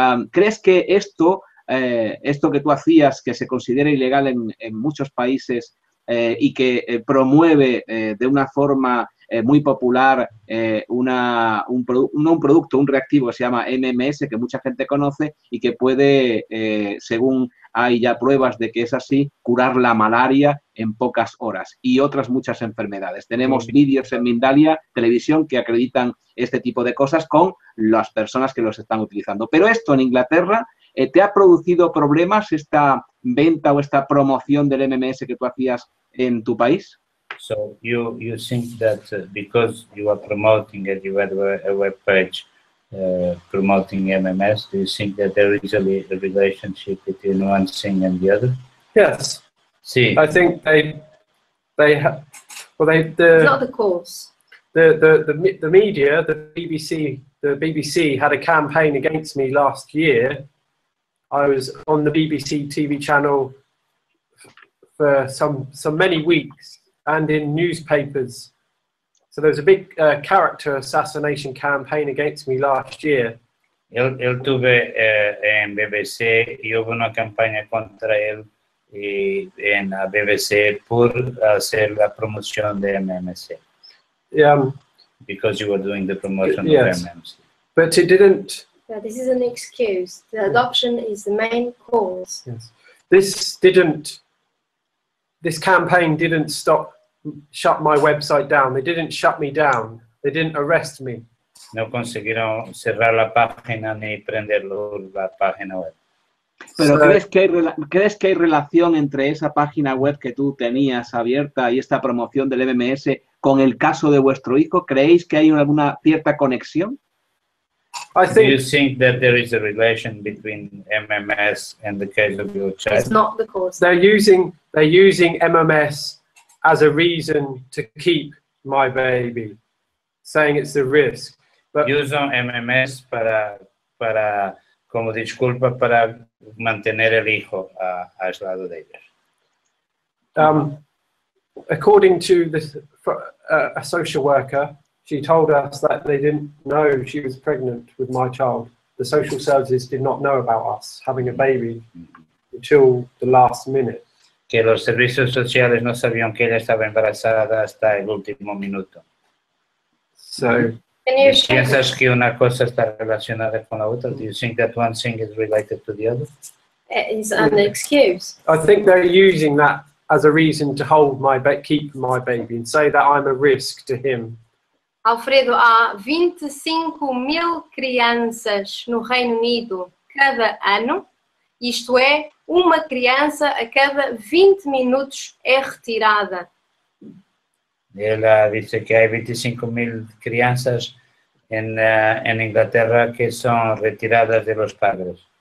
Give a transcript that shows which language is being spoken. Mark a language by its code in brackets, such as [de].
[es] ¿Crees que esto que tú hacías, que se considera ilegal en muchos países y que promueve de una forma muy popular un reactivo que se llama MMS, que mucha gente conoce y que puede, según hay ya pruebas de que es así, curar la malaria en pocas horas y otras muchas enfermedades? Tenemos vídeos en Mindalia Televisión que acreditan este tipo de cosas con las personas que los están utilizando. Pero esto en Inglaterra, ¿te ha producido problemas esta venta o esta promoción del MMS que tú hacías en tu país? [en] So you think that because you are promoting it, you had a web page promoting MMS, do you think that there is a relationship between one thing and the other? Yes. See. I think they have. Well, they. It's not the cause. The media, the BBC had a campaign against me last year. I was on the BBC TV channel for some many weeks. And in newspapers, so there was a big character assassination campaign against me last year. [es] Él tuve en BBC y hubo una campaña contra él y en la BBC por hacer la promoción de MMS. [en] Because you were doing the promotion of MMS. But it didn't. Yeah, this is an excuse. The adoption is the main cause. Yes. This didn't. This campaign didn't stop. Shut my website down. They didn't shut me down. They didn't arrest me. [es] No consiguieron cerrar la página ni prender la página web. Pero so, ¿crees que hay relación entre esa página web que tú tenías abierta y esta promoción del MMS con el caso de vuestro hijo? ¿Creéis que hay alguna cierta conexión? [en] I think, do you think that there is a relation between MMS and the case of your child? It's not the cause. They're using MMS as a reason to keep my baby. saying it's a risk. [pt] But usam MMS para como desculpa para manter o filho ao lado deles. [en] According to this, a social worker, she told us that they didn't know she was pregnant with my child. The social services did not know about us having a baby until the last minute. [es] Que los servicios sociales no sabían que ella estaba embarazada hasta el último minuto. [en] So, [es] ¿piensas que una cosa está relacionada con la otra? [en] Do you think that one thing is related to the other? It's an excuse. I think they're using that as a reason to hold my keep my baby and say that I'm a risk to him. [pt] Alfredo, há 25 mil crianças no Reino Unido cada ano. Isto é, uma criança a cada 20 minutos é retirada. Ela disse que há 25 mil crianças em Inglaterra que são retiradas [es] de los padres.